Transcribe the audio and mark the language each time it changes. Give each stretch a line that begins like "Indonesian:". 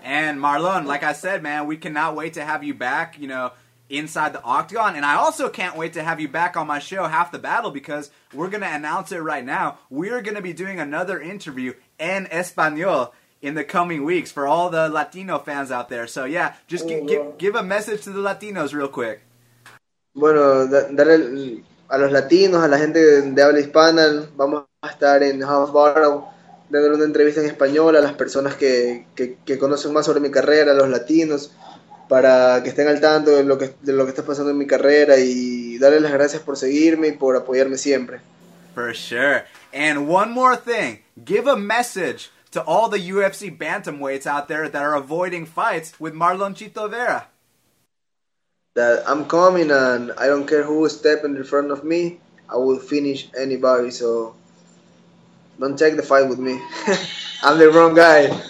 English: And Marlon, like I said, man, we cannot wait to have you back, you know, inside the Octagon. And I also can't wait to have you back on my show, Half the Battle, because we're going to announce it right now. We're going to be doing another interview en Español in the coming weeks for all the Latino fans out there. So, yeah, just give a message to the Latinos real quick.
Spanish: Bueno, dale a los latinos, a la gente de habla hispana, vamos a estar en House Bottom, dando una entrevista en español a las personas que conocen más sobre mi carrera, a los latinos, para que estén al tanto de lo que está pasando en mi carrera y darles las gracias por seguirme y por apoyarme siempre.
English: For sure. And one more thing, give a message to all the UFC bantamweights out there that are avoiding fights with Marlon Chito Vera. That I'm coming and I don't care who step in front of me, I will finish anybody, so don't take the fight with me. I'm the wrong guy.